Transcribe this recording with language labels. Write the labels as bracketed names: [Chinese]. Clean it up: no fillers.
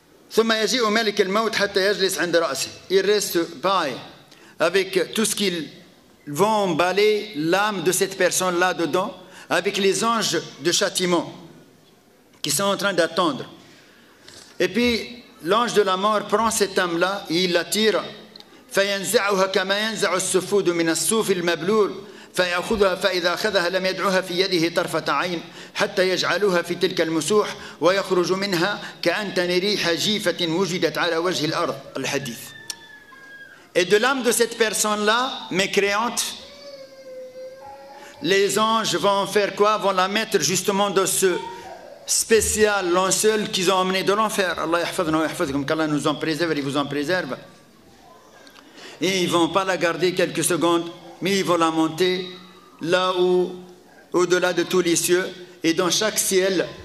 [Arabic] ثم يجيء ملك الموت حتى يجلس عند رأسه. [French] Il reste pareil, avec tout ce qu'ils vont emballer l'âme de cette personne-là dedans, avec les anges de châtiment qui sont en train d'attendre. Et puis, l'ange de la mort prend cette âme-là et il la tire. [Arabic] فينزعها كما ينزع السفود من الصوف المبلول فيأخذها فإذا أخذها لم يدعها في يده طرفة عين حتى يجعلها في تلك المسوح ويخرج منها كأن تنريح جيفة وجدت على وجه الأرض الحديث. [French] Et de l'âme de cette personne-là, mécréante, les anges vont faire quoi? Vont la mettre justement dans ce spécial linceul qu'ils ont emmené de l'enfer. [Arabic] Allah yahfadhna wa yahfadhkum, [French] qu'Allah nous en préserve et vous en préserve. Et ils ne vont pas la garder quelques secondes, mais ils vont la monter là où, au-delà de tous les cieux. Et dans chaque ciel,